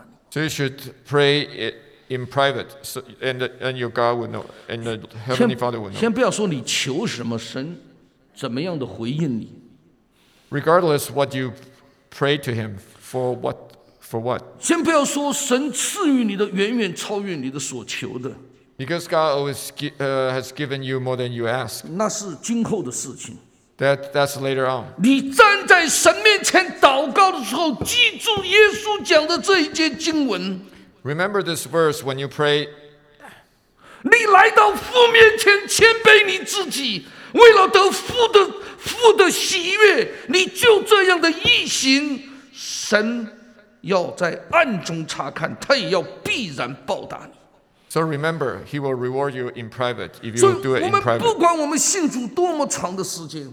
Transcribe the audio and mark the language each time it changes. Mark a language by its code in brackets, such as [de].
[en] So you should pray it in private, so, and your God will know, and the Heavenly Father will know. [zh] 先不要说你求什么，神怎么样的回应你。 [en] Regardless what you pray to Him for, what for what? [zh] 先不要说神赐予你的远远超越你的所求的。 [en] Because God always has given you more than you ask. [zh] 那是今后的事情。 [en] That's later on. [zh] 你站在神面前祷告的时候，记住耶稣讲的这一节经文。 [en] Remember this verse when you pray. [zh] 你来到父面前谦卑你自己，为了得父的喜悦，你就这样的一行，神要在暗中查看，他也要必然报答你。 [en] So remember, he will reward you in private if you do it in private. [zh] 不管我们信主多么长的时间